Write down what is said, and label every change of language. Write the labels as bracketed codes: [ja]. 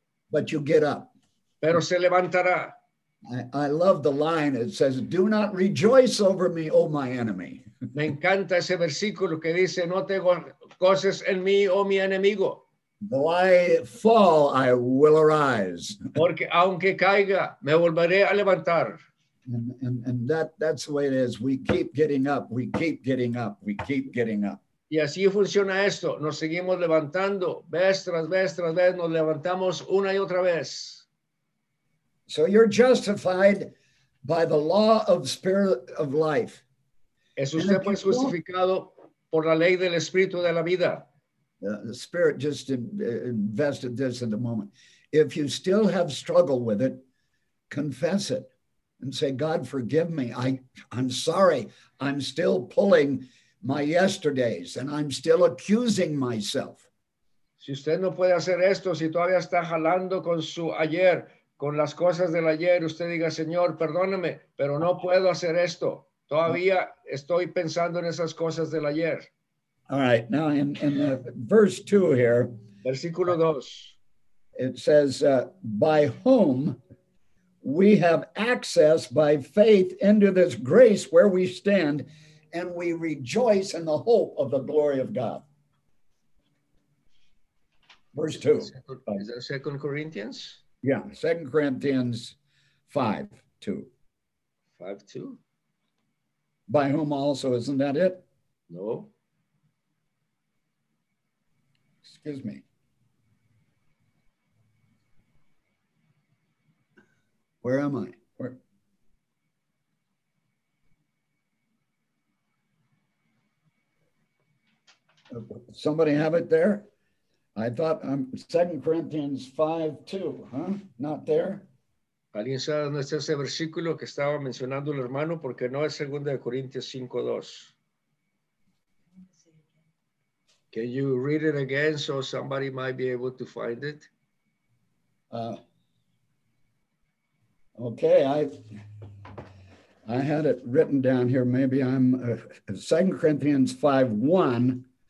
[en] But you get up. [es] Pero se levantará. [en] I love the line. It says, do not rejoice over me, O my enemy. [es] Me encanta ese versículo que dice, no te goces en mí, O mi enemigo. [en] Though I fall, I will arise. [es] Porque aunque caiga, me volveré a levantar. [en] And that's the way it is. We keep getting up. We keep getting up. We keep getting up. [es] Y así funciona esto. Nos seguimos levantando. Vez tras vez tras vez. Nos levantamos una y otra vez. [en] So you're justified by the law of spirit of life. [es] Es usted pues justificado por la ley del espíritu de la vida. [en] The spirit just invested this in the moment. If you still have struggle with it, confess it. And say, God, forgive me. I'm sorry. I'm still pulling my yesterdays, and I'm still accusing myself. [es] Si usted no puede hacer esto, si todavía está jalando con su ayer, con las cosas del ayer, usted diga, Señor, perdóname, pero no puedo hacer esto. Todavía estoy pensando en esas cosas del ayer. [en] All right. Now, in the verse 2 here. [es] Versículo 2. [en] It says, by whom we have access by faith into this grace where we stand, and we rejoice in the hope of the glory of God. Verse 2. Is that 2 Corinthians? Yeah, 2 Corinthians 5:2. 5:2? By whom also, isn't that it? No. Excuse me. Where am I? Where? Somebody have it there? I thought 2 Corinthians 5:2, huh? Not there? [es] ¿Alguien sabe dónde está ese versículo que estaba mencionando el hermano? Porque no es 2 Corintios 5:2. [en] Can you read it again so somebody might be able to find it? Okay, I had it written down here. Maybe I'm 2 Corinthians 5:1.